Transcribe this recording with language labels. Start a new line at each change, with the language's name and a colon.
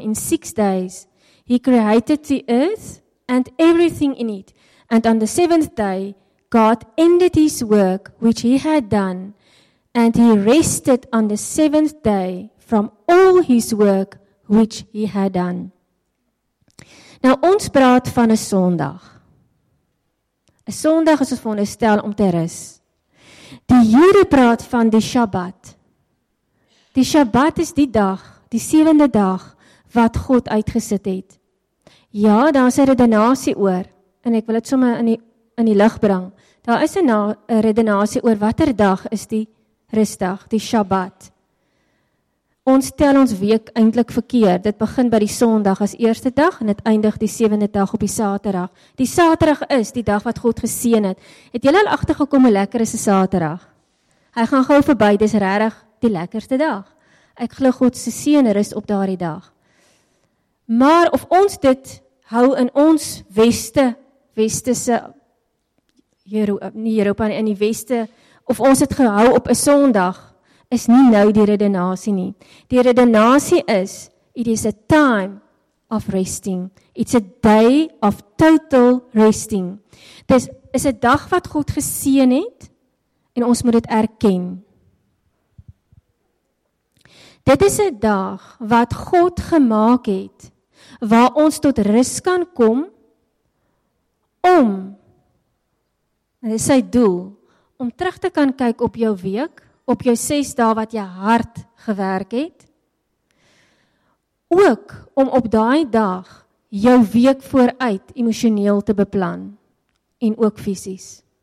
English: In 6 days he created the earth and everything in it. And on the 7th day God ended his work which he had done and he rested on the 7th day from all his work which he had done.
Afrikaans: Nou, ons praat van 'n Sondag. 'n Sondag is ons veronderstel om te rus. Die Jode praat van die Shabbat. Die Shabbat is die dag, die sewende dag wat God uitgesit het. Ja, daar is 'n redenasie oor, en ek wil dit sommer in die lig bring. Daar is 'n redenasie oor watter dag is die rustdag, die Shabbat. Ons tel ons week eintlik verkeerd. Dit begin by die Sondag as eerste dag en dit eindig die sewende dag op die Saterdag. Die Saterdag is die dag wat God geseën het. Het julle al agtergekom hoe lekker is 'n Saterdag? Hy gaan gou verby, dis regtig die lekkerste dag. Ek glo God se seën rus op daardie dag. Maar of ons dit hou in ons westerse Europa en in die weste, of ons het gehou op 'n Sondag, is nie nou die redenasie nie. Die redenasie is,
English: it is a time of resting. It's a day of total resting.
Afrikaans: Dis is 'n dag wat God geseën het, en ons moet dit erken. Dit is 'n dag wat God gemaak het, waar ons tot rus kan kom, om, en dit is sy doel, om terug te kan kyk op jou week, op jou 6 dae wat jy hard gewerk het, ook om op daai dag jou week vooruit emosioneel te beplan, en ook fisies.